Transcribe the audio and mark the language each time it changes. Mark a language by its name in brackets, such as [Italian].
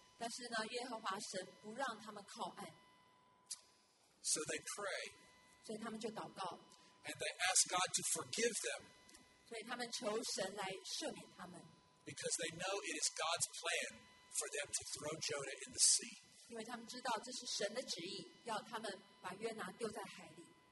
[Chinese] 但是呢,耶和华神不让他们靠岸。So [English] they pray. [Chinese] 所以他们就祷告。 [English] And they ask God to forgive them. [Chinese] 所以他们求神来赦免他们。 [English] Because they know it is God's plan for them to throw Jonah in the sea. [Chinese] 因为他们知道这是神的旨意,要他们把约拿丢在海里。